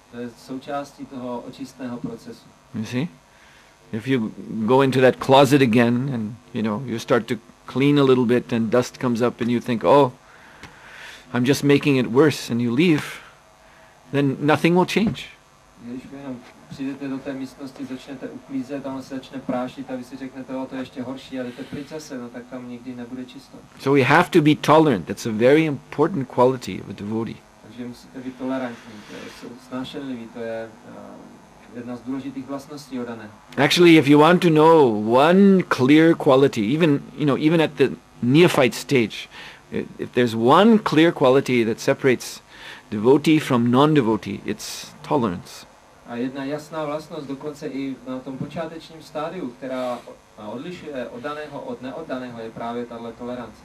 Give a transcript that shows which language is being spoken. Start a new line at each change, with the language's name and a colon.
Czech: To je součástí toho očistného procesu.
English: You see? If you go into that closet again and, you know, you start to clean a little bit and dust comes up and you think, oh, I'm just making it worse, and you leave, then nothing will change.
Czech: Když jenom přijdete do té místnosti, začnete uklízet, ono se začne prášit a vy si řeknete, oh, to je ještě horší, ale to pryč zase, no tak tam nikdy nebude čisto.
English: So we have to be tolerant. That's a very important quality of a devotee.
Czech: Takže musíte být tolerantní, to je snášenlivý, to je jedna z důležitých vlastností odané.
English: Actually, if you want to know one clear quality, even, you know, even at the neophyte stage, if there's one clear quality that separates devotee from non-devotee, it's tolerance.
Czech: A jedna jasná vlastnost dokonce i na tom počátečním stádiu, která odlišuje oddaného od neoddaného, je právě tahle tolerance.